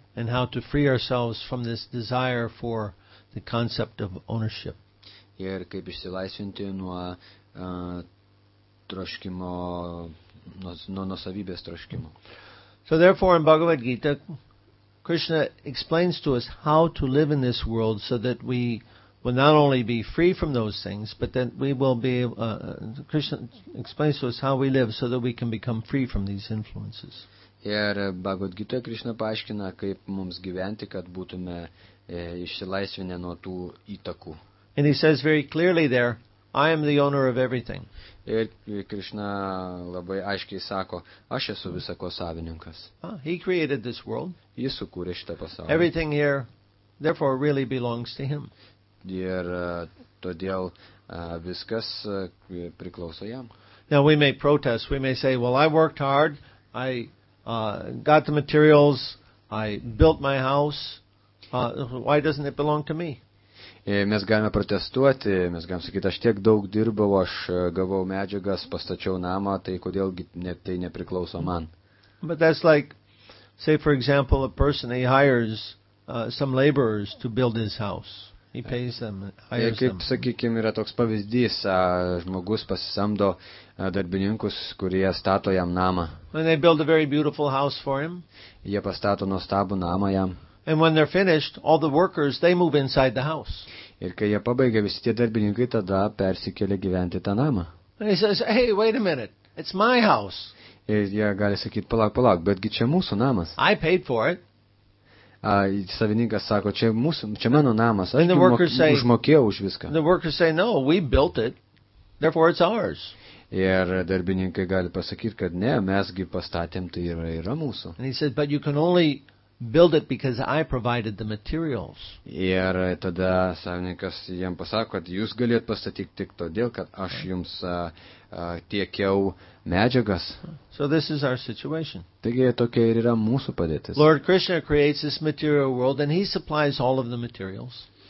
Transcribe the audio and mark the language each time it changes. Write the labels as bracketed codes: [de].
[en] And how to free ourselves from this desire for the concept of ownership. [lt] Ir kaip išsilaisvinti nuo troškimo, nuo nusavybės troškimo. [en] So therefore in Bhagavad Gita, Krishna explains to us how to live in this world so that we will not only be free from those things, but then we will be Krishna explains to us how we live so that we can become free from these influences. [lt] Ir Bhagavad Gita Krishna paaiškina, kaip mums gyventi, kad būtume išsilaisvinę nuo tų įtakų. [en] And he says very clearly there, I am the owner of everything. [lt] Ir Krishna labai aiškiai sako, aš esu visa ko savininkas. [en] He created this world. [lt] Jis sukūrė šitą pasaulį. [en] Everything here therefore really belongs to him. [lt] Ir todėl viskas priklauso jam. [en] Now we may protest, we may say, well, I worked hard, I got the materials, I built my house, why doesn't it belong to me? [lt] Mes galime protestuoti, mes galime sakyti, aš tiek daug dirbau, aš gavau medžiagas, pastačiau namą, tai kodėlgi tai nepriklauso man. [en] But that's like, say for example, a person, he hires some laborers to build his house. He pays them. [lt] Ir kaip sakykime, yra toks pavyzdys, žmogus pasisamdo darbininkus, kurie stato jam namą. [en] And they build a very beautiful house for him. [lt] Jie pastato nuostabų namą jam. [en] And when they're finished, all the workers, they move inside the house. [lt] Ir kai jie pabaigia, visi tie darbininkai tada persikelia gyventi tą namą. [en] And he says, "Hey, wait a minute. It's my house." [lt] Ir jie gali sakyti, palauk, palauk, betgi čia mūsų namas. [en] I paid for it. [lt] Savininkas sako, čia mūsų, čia mano namas, aš užmokėjau už viską. [en] The workers say, no, we built it, therefore it's ours. [lt] Ir darbininkai gali pasakyti, kad ne, mesgi pastatėm, tai yra mūsų. [en] And he said, but you can only build it because I provided the materials. [lt] Ir tada savininkas jam pasako, kad jūs galėt pastatyti tik todėl, kad aš jums tiekiau medžiagas. [en] So this is our situation. [lt] Taigi tokia ir yra mūsų padėtis. [en] Lord Krishna creates this material world and he supplies all of the materials.